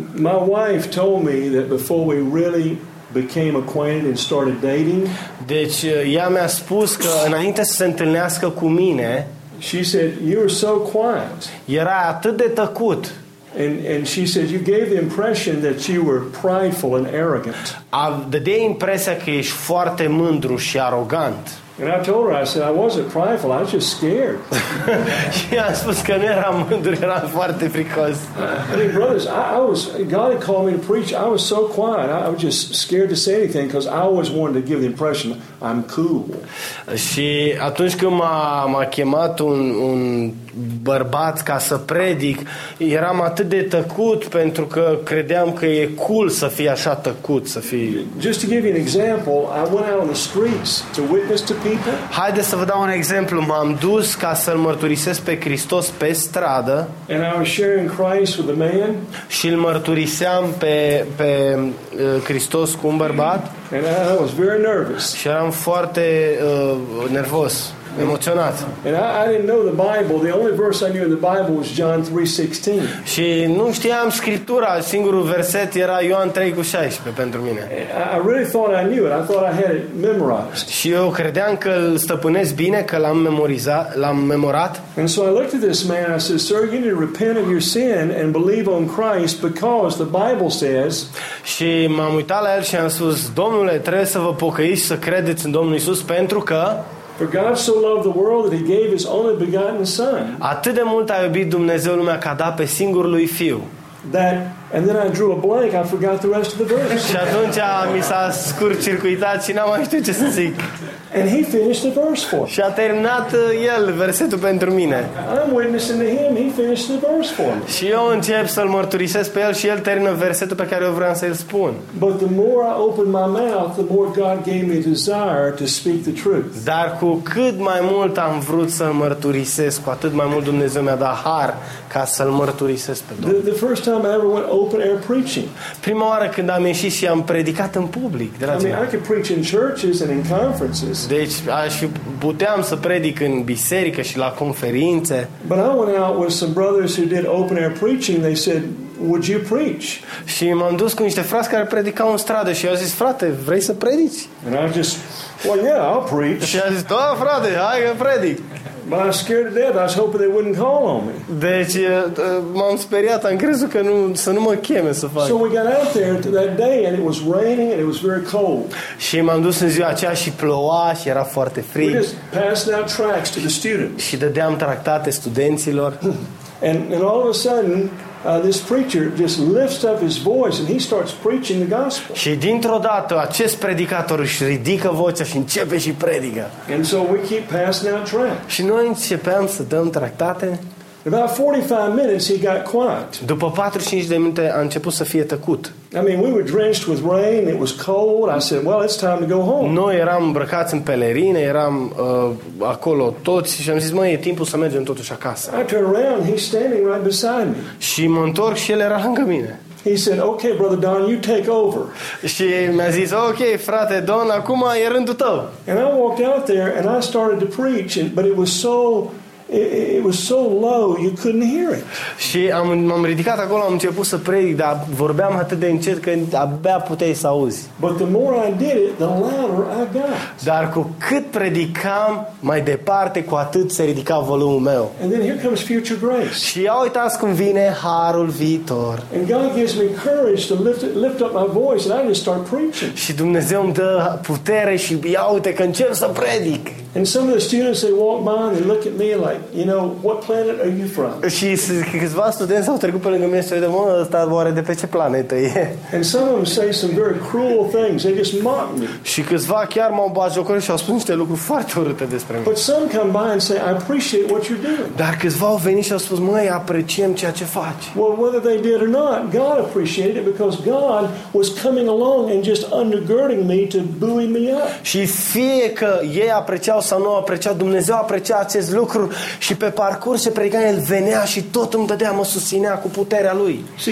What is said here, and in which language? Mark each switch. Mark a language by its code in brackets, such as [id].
[en] My wife told me that before we really became acquainted and started dating. [ro] Deci ea mi-a spus că înainte să se întâlnească cu mine, [en] she said you were so quiet. [ro] Era atât de tăcut. [en] And she said you gave the impression that you were prideful and arrogant. [ro] Dădea impresia că ești foarte mândru și arogant. [en] And I told her, I said I wasn't prideful, I was just scared. [ro] Și am spus că nu eram mândru, eram foarte fricos. [en] Hey brothers, I was, God had called me to preach. I was so quiet. I was just scared to say anything because I always wanted to give the impression I'm cool. [ro] Și atunci când m-a chemat un bărbat ca să predic, eram atât de tăcut pentru că credeam că e cool să fii așa tăcut, să fii. [en] Just to give you an example, I went out on the streets to witness to people. [ro] Haideți să vă dau un exemplu. M-am dus ca să-l mărturisesc pe Hristos pe stradă. [en] And I was sharing Christ with a man. [ro] Și îl mărturiseam pe Hristos cu un bărbat. [en] And I was very nervous. [ro] Și eram foarte nervos. Emoționat. [en] And I didn't know the Bible. The only verse I knew in the Bible was John 3:16. [ro] Și nu știam Scriptura. Singurul verset era Ioan 3:16 pentru mine. [en] I really thought I knew it. I thought I had it memorized. [ro] Și eu credeam că îl stăpânesc bine, că l-am memorat. [en] And so I looked at this man. I said, "Sir, you need to repent of your sin and believe on Christ because the Bible says." [ro] Și m-am uitat la el și am spus, "Domnule, trebuie să vă pocăiți, să credeți în Domnul Isus pentru că." [en] For God so loved the world that he gave his only begotten son. [ro] Atât de mult a iubit Dumnezeu lumea că a dat pe singurul lui fiu. [en] That and then I drew a blank, I forgot the rest of the verse. [ro] Și atunci mi s-a scurt-circuitat și n-am mai știut ce să zic. [en] And he finished the verse for me. [ro] Și a terminat el versetul pentru mine. [en] I'm witnessing to him, he finished the verse for me. [ro] Și eu încep să-l mărturisesc pe el și el termină versetul pe care eu vreau să-l spun. [en] But the more I opened my mouth, the more God gave me desire to speak the truth. [ro] Dar cu cât mai mult am vrut să-l mărturisesc, cu atât mai mult Dumnezeu mi-a dat har ca să-l mărturisesc pe Domnul. [en] The first time I ever went open air preaching. [ro] Prima oară când am ieșit și am predicat în public, dragii [en] mei. I could preach in churches and in conferences. [ro] Deci aș puteam să predic în biserică și la conferințe. [en] But I went out with some brothers who did open air preaching. They said, "Would you preach?" [ro] Și m-am dus cu niște frați care predicau în stradă și i-au zis, "Frate, vrei să predici?" [en] And I just, "Well, yeah, I'll preach." [ro] Și a zis, "Da, frate, hai că predic." [en] But I was scared to death. I was hoping they wouldn't call on me. [ro] Deci m-am speriat, am crezut că să nu mă cheme să fac. [en] So we got out there that day and it was raining and it was very cold. [ro] Și m-am dus în ziua aceea și ploua și era foarte frig. [en] We just passed out tracts to the students. [ro] Și dădeam tractate studenților. [en] And all of a sudden this preacher just lifts up his voice and he starts preaching the gospel. [ro] Și dintr-o dată acest predicator își ridică vocea și începe și predică. [en] And so we keep passing out tracts. [ro] Și noi începem să dăm tractate. [en] About 45 minutes he got quiet. [ro] După 45 de minute a început să fie tăcut. [en] I mean, we were drenched with rain, it was cold. I said, "Well, it's time to go home." [ro] Noi eram îmbrăcați în pelerine, eram acolo toți și am zis, "Măi, e timpul să mergem totuși acasă." [en] I turned around, he's standing right beside me. [ro] Și mă întorc și el era lângă mine. [en] He said, "Okay, brother Don, you take over." [ro] Și mi-a zis, "Ok, frate Don, acum e rândul tău." [en] And I walked out there and I started to preach, but it was so low, you couldn't hear it. [ro] Și m-am ridicat acolo, am început să predic, dar vorbeam atât de încet că abia puteai să auzi. [en] But the more I did it, the louder I got. [ro] Dar cu cât predicam mai departe, cu atât se ridica volumul meu. [en] And then here comes future grace. [ro] Și ia uitați cum vine harul viitor. [en] And God gives me courage to lift up my voice and I just start preaching. [ro] Și Dumnezeu îmi dă putere și ia uite că încep să predic. [en] And some of the students, they walk by and they look at me like, you know, what planet are you from? [ro] Și câțiva studenți au trecut pe lângă mine și au zis, "Mă, ăsta oare de pe ce planetă e?" [en] And some of them say some very cruel things. They just mock me. [ro] Și câțiva chiar m-au bajocorit și au spus niște lucruri foarte urâte despre mine. [en] But some come by and say, "I appreciate what you're doing." [ro] Dar câțiva au venit și au spus, "Măi, apreciem ceea ce faci." [en] Well, whether they did or not, God appreciated it because God was coming along and just undergirding me to buoy me up. [ro] Și fie că ei apreciau sau nu aprecia, Dumnezeu aprecia acest lucru și pe parcurs se predica, el venea și tot îmi dădea, mă susținea cu puterea lui.